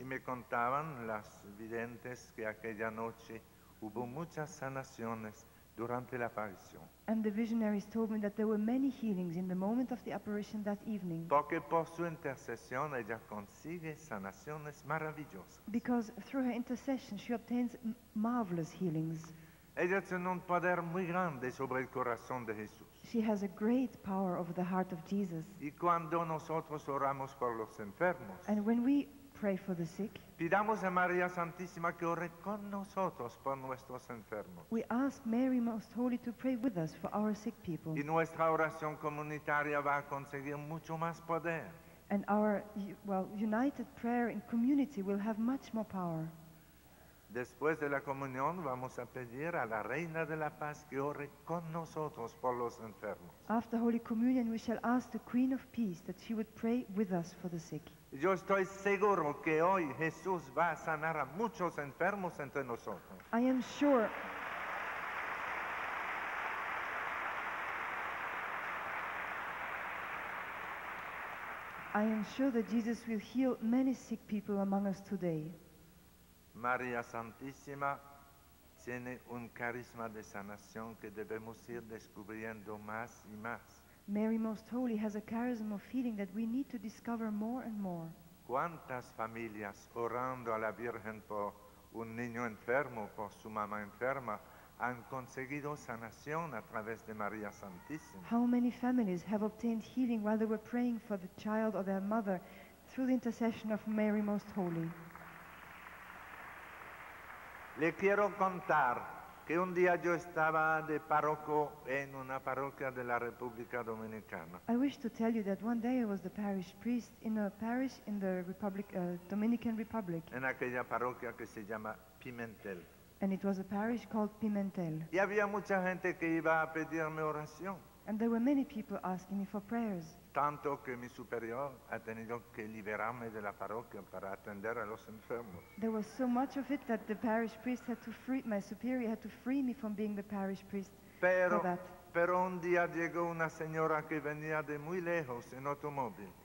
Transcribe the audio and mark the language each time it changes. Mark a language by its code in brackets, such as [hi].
[es] Y me contaban las videntes que aquella noche hubo muchas sanaciones durante la aparición. [en] And the visionaries told me that there were many healings in the moment of the apparition that evening. [es] Porque por su intercesión ella consigue sanaciones maravillosas. [en] Because through her intercession she obtains marvelous healings. [es] Ella tiene un poder muy grande sobre el corazón de Jesús. [en] She has a great power over the heart of Jesus. [es] Y cuando nosotros oramos por los enfermos, [en] and when we pray for the sick, [es] pidamos a María Santísima que ore con nosotros por nuestros enfermos. [en] We ask Mary Most Holy to pray with us for our sick people. [es] Y nuestra oración comunitaria va a conseguir mucho más poder. [en] And our united prayer in community will have much more power. [es] Después de la comunión vamos a pedir a la Reina de la Paz que ore con nosotros por los enfermos. [en] After Holy Communion we shall ask the Queen of Peace that she would pray with us for the sick. [es] Yo estoy seguro que hoy Jesús va a sanar a muchos enfermos entre nosotros. [en] I am sure. I am sure that Jesus will heal many sick people among us today. [es] María Santísima tiene un carisma de sanación que debemos ir descubriendo más y más. [en] Mary Most Holy has a charism of healing that we need to discover more and more. [es] ¿Cuántas familias orando a la Virgen por un niño enfermo, por su mamá enferma, han conseguido sanación a través de María Santísima? [en] How many families have obtained healing while they were praying for the child or their mother through the intercession of Mary Most Holy? [es] Le quiero contar que un día yo estaba de párroco en una parroquia de la República Dominicana. [en] I wish to tell you that one day I was the parish priest in a parish in the Republic, Dominican Republic. [es] En aquella parroquia que se llama Pimentel. [en] And it was a parish called Pimentel. [es] Y había mucha gente que iba a pedirme oración. [en] And there were many people asking me for prayers. [es] Tanto que mi superior ha tenido que liberarme de la parroquia para atender a los enfermos. [en] There was so much of it that the parish priest had to free, my superior had to free me from being the parish priest. [es] Pero, [en] for that. [es] Pero un día llegó una señora que venía de muy lejos en automóvil.